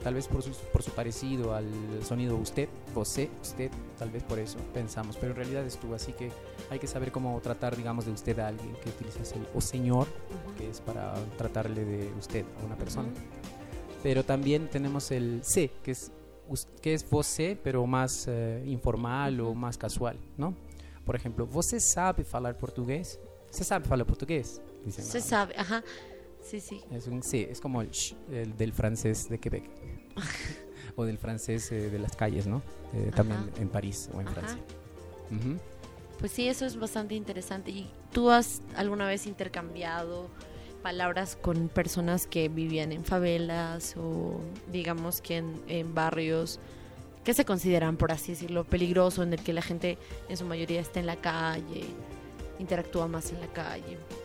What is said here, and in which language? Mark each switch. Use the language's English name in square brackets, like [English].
[Spanish] Tal vez por su parecido al sonido usted, vosé, tal vez por eso pensamos, pero en realidad es tú, así que hay que saber cómo tratar, digamos, de usted a alguien que utilizas el o señor, uh-huh. que es para tratarle de usted a una persona. Uh-huh. Pero también tenemos el sé, que es vosé, pero más informal o más casual, ¿no? [Portuguese] Por ejemplo, ¿você sabe falar português? ¿Se sabe falar português? [Spanish] Dicen, se sabe, ajá. Sí, sí. Es un sí, es como el sh, el del francés de Quebec. O del francés de las calles, ¿no? También en París o en Francia. Uh-huh. Pues sí, eso es bastante interesante. ¿Y tú has alguna vez intercambiado palabras con personas que vivían en favelas o digamos que en barrios que se consideran, por así decirlo, peligroso, en el que la gente en su mayoría está en la calle, interactúa más en la calle?